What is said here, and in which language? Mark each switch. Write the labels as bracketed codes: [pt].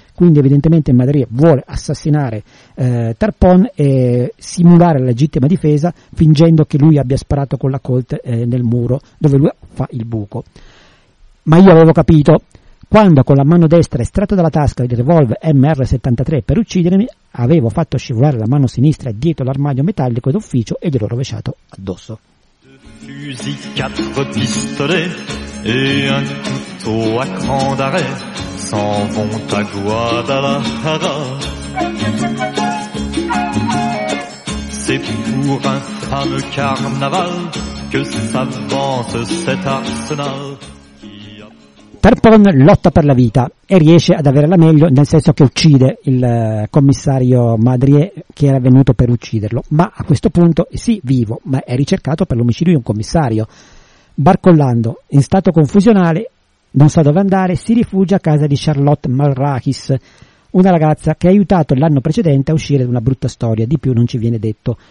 [it] Quindi evidentemente Madrid vuole assassinare Tarpon e simulare la legittima difesa, fingendo che lui abbia sparato con la Colt nel muro dove lui fa il buco. Ma io avevo capito. Quando con la mano destra estratto dalla tasca il revolver MR73 per uccidermi, avevo fatto scivolare la mano sinistra dietro l'armadio metallico d'ufficio e gliel'ho rovesciato addosso. [fr] Fusil, [it] quattro [fr] pistolet et un couteau à cran d'arrêt s'en vont à Guadalajara. C'est pour un fameux carnaval que s'avance cet arsenal. [it] Tarpon lotta per la vita e riesce ad avere la meglio, nel senso che uccide il commissario Madrier che era venuto per ucciderlo, ma a questo punto è sì vivo, ma è ricercato per l'omicidio di un commissario. Barcollando, in stato confusionale, non sa dove andare, si rifugia a casa di Charlotte Malrakis, una ragazza che ha aiutato l'anno precedente a uscire da una brutta storia, di più non ci viene detto.